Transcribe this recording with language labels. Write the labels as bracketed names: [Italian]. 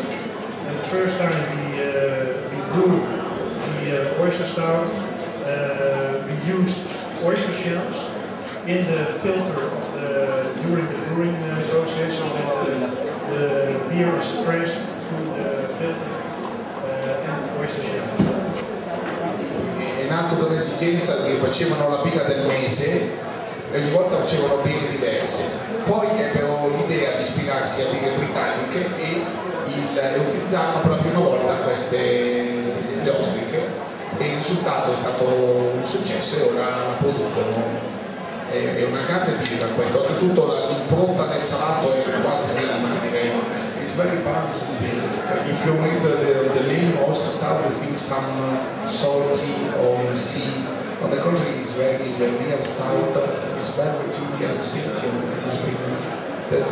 [English] And the first time we brewed the Oyster Stout, we used oyster shells in the filter during the brewing process, so that the beer is pressed through the filter and the oyster shell. [Italian] È nato da un'esigenza che facevano la birra del mese, e ogni volta facevano birre diverse. Poi ebbero l'idea di ispirarsi a birre britanniche e utilizzarono per la prima volta queste le ostriche. E il risultato è stato un successo e ora la producono. È una grande birra questa, oltretutto l'impronta del salato è quasi minima, direi. [English] It's very balanced beer. If you read the name, also start with some salty or sea. On the contrary, it's very real stout, it's very tricky and silky and different.